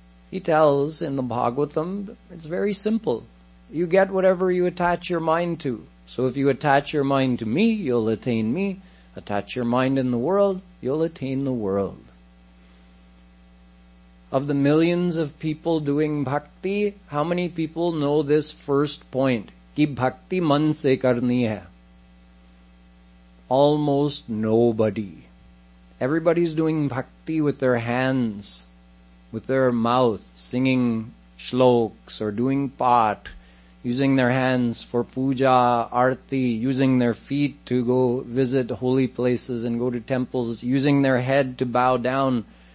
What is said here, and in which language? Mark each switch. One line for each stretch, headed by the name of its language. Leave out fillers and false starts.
English: He tells in the Bhagavatam, it's very simple. You get whatever you attach your mind to. So if you attach your mind to me, you'll attain me. Attach your mind in the world, you'll attain the world. Of the millions of people doing bhakti, how many people know this first point?
Hindi: कि भक्ति मन से करनी है.
English: Almost nobody. Everybody's doing bhakti with their hands, with their mouth, singing shlokas or doing paath, using their hands for puja, arati, using their feet to go visit holy places and go to temples, using their head to bow down.